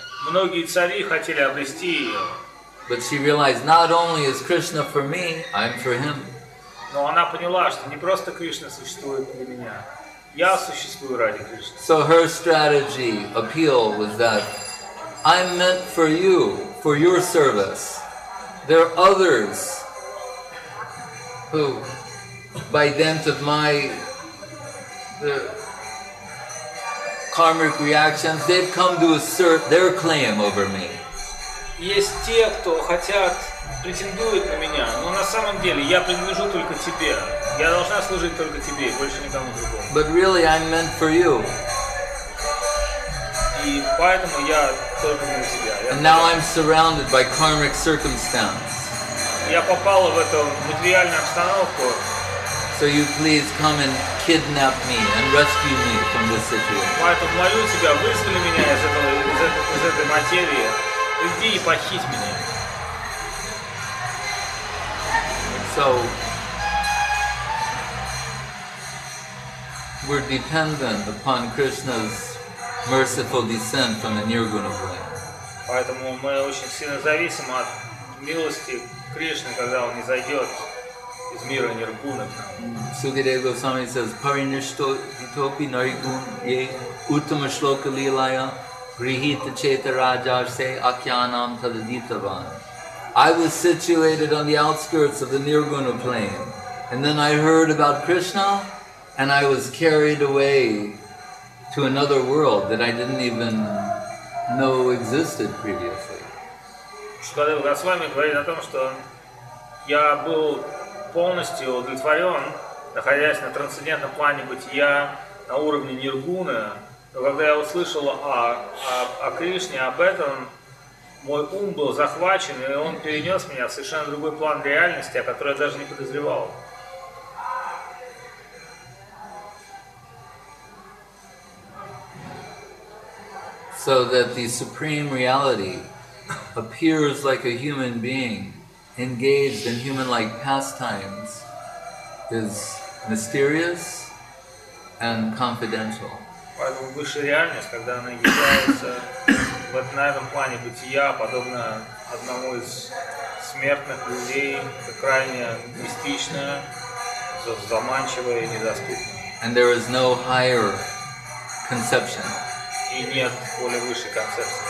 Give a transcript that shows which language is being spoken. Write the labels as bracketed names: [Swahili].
[Russian] Многие цари хотели обрести ее. [English] But she realized not only is Krishna for me, I'm for him. [Russian] Но она поняла, что не просто Кришна существует для меня. Я существую ради Кришны. [English] So her strategy appeal was that I'm meant for you, for your service. There are others who, by dint of my karmic reactions, they've come to assert their claim over me. [Russian] Есть те, кто хотят претендуют на меня, но на самом деле я принадлежу только тебе. Я должна служить только тебе, больше никому другому. [English] But really, I'm meant for you. [Russian] И поэтому я только для тебя. [English] And now I'm surrounded by karmic circumstance. [Russian] Я попала в эту материальную обстановку. [English] So you please come and kidnap me and rescue me from this situation. So we're dependent upon Krishna's merciful descent from the Nirguna plane. [Russian] Поэтому мы очень сильно зависим от милости Кришны, когда он не зайдет. [English] Sukadeva Goswami says, [Sanskrit] Parinishto itopi narikun ye uttama shloka lilaya grihita cheta rajase akyanam tadaditavan. [English] I was situated on the outskirts of the Nirguna plane, and then I heard about Krishna, and I was carried away to another world that I didn't even know existed previously. [Russian] Sukadeva Goswami говорит о том, что я был полностью удовлетворен, находясь на трансцендентном плане бытия, на уровне Ниргуны, но когда я услышал о Кришне, об этом, мой ум был захвачен, и он перенес меня в совершенно другой план реальности, о котором я даже не подозревал. [English] So that the supreme reality appears like a human being engaged in human-like pastimes is mysterious and confidential. [Russian] Поэтому высшая реальность, когда она является вот на этом плане бытия, подобно одному из смертных людей, крайне мистичная, заманчивая и недоступная. [English] And there is no higher conception. [Russian] И нет более высшей концепции.